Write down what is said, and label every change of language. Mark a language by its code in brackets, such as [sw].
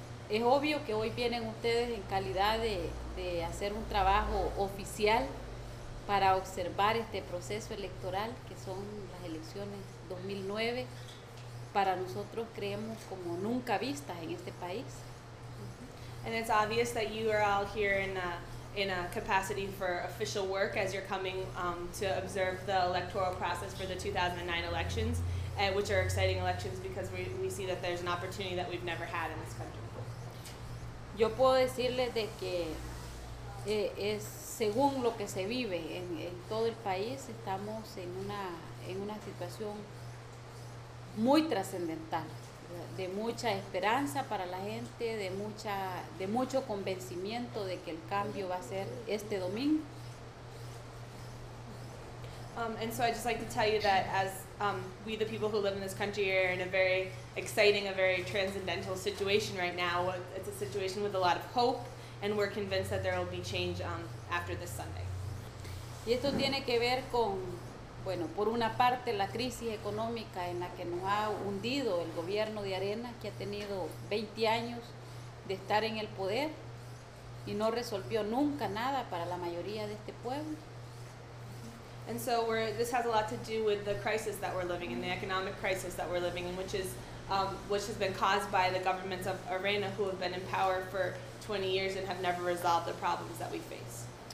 [es] Es obvio que hoy vienen ustedes en calidad de hacer un trabajo oficial para observar este proceso electoral que son las elecciones 2009. Para nosotros creemos como nunca vistas en este país. [en] And it's obvious that you are all here in a capacity for official work as you're coming to observe the electoral process for the 2009 elections, which are exciting elections because we see that there's an opportunity that we've never had in this country. [es] Yo puedo decirles de que es según lo que se vive en todo el país, estamos en una situación muy trascendental, de mucha esperanza para la gente, de mucho convencimiento de que el cambio va a ser este domingo. [en] And so I'd just like to tell you that as we the people who live in this country are in a very exciting, a very transcendental situation right now. It's a situation with a lot of hope, and we're convinced that there will be change after this Sunday. [es] Y esto tiene que ver con, bueno, por una parte, la crisis económica en la que nos ha hundido el gobierno de Arena, que ha tenido 20 años de estar en el poder y no resolvió nunca nada para la mayoría de este pueblo. [en] And so this has a lot to do with the crisis that we're living in, the economic crisis that we're living in, which has been caused by the governments of Arena, who have been in power for 20 years and have never resolved the problems that we face.